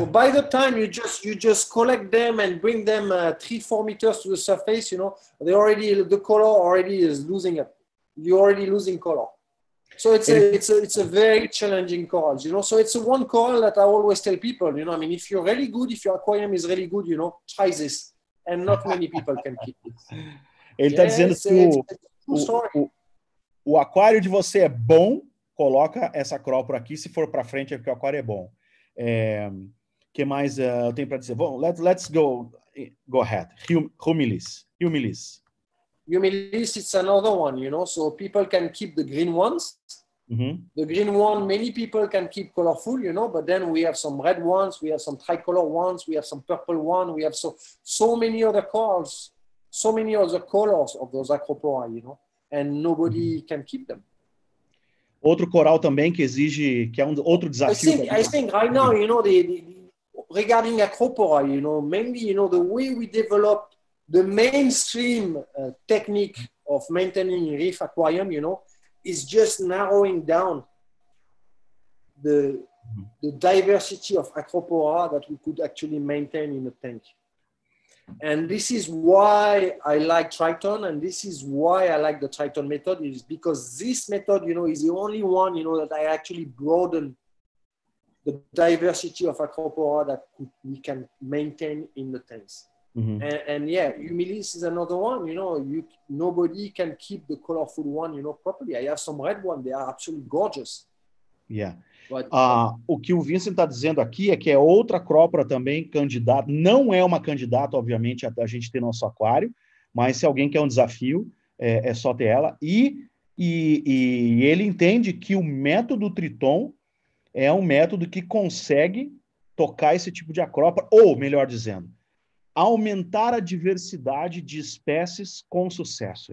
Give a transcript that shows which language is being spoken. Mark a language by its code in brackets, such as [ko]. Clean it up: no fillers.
[en] So by the time you just collect them and bring them 3-4 meters to the surface, you know, they already the color already is losing up. You're already losing color. So it's a very challenging coral, you know. So it's a one coral that I always tell people, you know. I mean, if you're really good, if your aquarium is really good, you know, try this. And not many people can keep it. [pt] Ele tá dizendo que o aquário de você é bom, coloca essa acrópora aqui. Se for para frente, é porque o aquário é bom. Que mais eu tenho para dizer? Bom, [en] let's go ahead. [pt] Humilis. [en] Humilis, it's another one, you know. So people can keep the green ones. The green one, many people can keep colorful, you know. But then we have some red ones, we have some tricolor ones, we have some purple ones, we have so many other colors, so many other colors of those acropora, you know. And nobody can keep them. [pt] Outro coral também que exige, que é outro desafio. [en] I think right now, you know, the regarding acropora, you know, mainly, you know, the way we develop the mainstream technique of maintaining reef aquarium, you know, is just narrowing down the diversity of acropora that we could actually maintain in the tank. And this is why I like Triton, and this is why I like the Triton method, is because this method, you know, is the only one, you know, that I actually broaden the diversity of acropora that we can maintain in the tanks. And humilis is another one, you know, nobody can keep the colorful one, you know, properly. I have some red one, they are absolutely gorgeous. Yeah. [pt] O que o Vincent está dizendo aqui é que é outra acrópora também, candidato, não é uma candidata, obviamente, a gente ter nosso aquário, mas se alguém quer um desafio, é só ter ela. E ele entende que o método Triton é um método que consegue tocar esse tipo de acrópora, ou, melhor dizendo, aumentar a diversidade de espécies com sucesso.